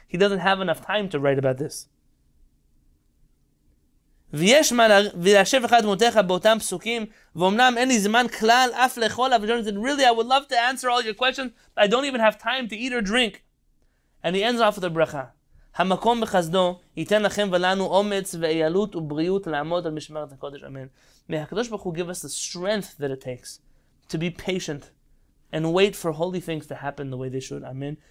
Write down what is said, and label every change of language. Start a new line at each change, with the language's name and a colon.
English: He doesn't have enough time to write about this.
Hebrew: ויש מה ליישב אחד מותיך באותם פסוקים ואומנם אין לי זמן כלל אף לאכול אבל ג'ונתן,
English: really I would love to answer all your questions but I don't even have time to eat or drink. And he ends off with a ברכה.
Hebrew: המקום בחסדו ייתן לכם ולנו אומץ ואיילות ובריאות לעמוד על משמרת הקודש, אמן.
English: May HaKadosh Baruch Hu give us the strength that it takes to be patient and wait for holy things to happen the way they should, אמן.